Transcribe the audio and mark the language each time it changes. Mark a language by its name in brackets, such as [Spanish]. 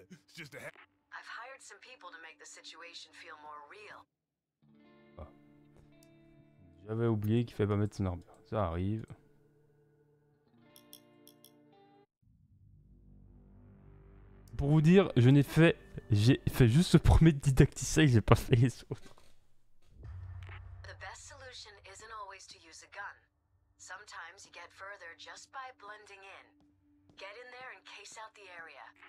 [English] I've hired some people to make the situation feel more real. Ah. [French] J'avais oublié qu'il fallait pas mettre son armure. Ça arrive. Pour vous dire, j'ai fait juste ce premier didacticiel, j'ai pas fait les autres. [English] The best solution isn't always to use a gun. Sometimes you get further just by blending in. Get in there and case out the area.